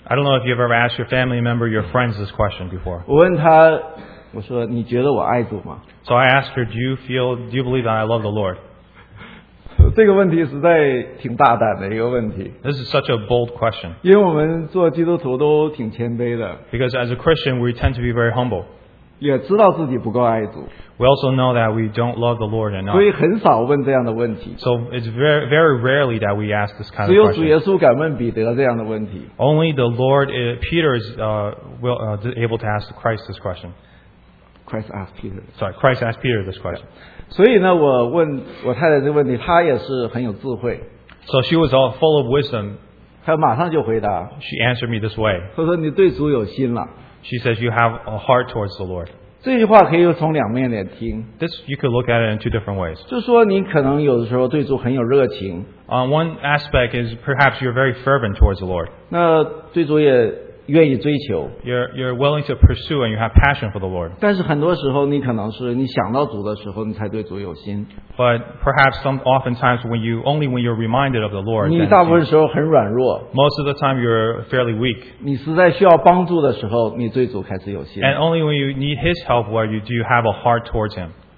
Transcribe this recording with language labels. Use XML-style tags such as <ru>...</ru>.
<en>I don't know if you've ever asked your family member, your friends this question before.</en> <zh>我问他。我说你觉得我爱主吗？</zh> <en>So I asked her, do you believe that I love the Lord?</en> <zh>这个问题实在挺大胆的一个问题。</zh> <en>This is such a bold question.</en> <zh>因为我们做基督徒都挺谦卑的。</zh> <en>Because as a Christian, we tend to be very humble.</en> <zh>也知道自己不够爱主。</zh> <en>We also know that we don't love the Lord enough.</en> <zh>所以很少问这样的问题。</zh> <en>So it's very rarely that we ask this kind of question.</en> <zh>只有主耶稣敢问彼得这样的问题。</zh> <en>Only the Lord, Peter is able to ask Christ this question. Christ asked Peter. Sorry, Christ asked Peter this question. Yeah. So she was all full of wisdom.</en> <zh>她马上就回答,</zh> <en>she answered me this way.</en> <zh>她说你对主有心了,</zh> <en>she says you have a heart towards the Lord.</en> <zh>这句话可以从两面来听,</zh> <en>this you could look at it in two different ways.</en> <zh>就说你可能有的时候对主很有热情,</zh> <en>one aspect is perhaps you're very fervent towards the Lord.</en> <zh>那对主也,</zh> <en>You're willing to pursue and you have passion for the Lord.</en> <zh>但是很多时候你可能是你想到主的时候你才对主有心。</zh> <en>But perhaps some oftentimes when you only when you're reminded of the Lord.</en> <zh>你大部分时候很软弱。</zh> <en>Most of the time you're fairly weak.</en> <zh>你实在需要帮助的时候你对主开始有心。</zh> <en>And only when you need His help where you do have a heart towards Him.</en>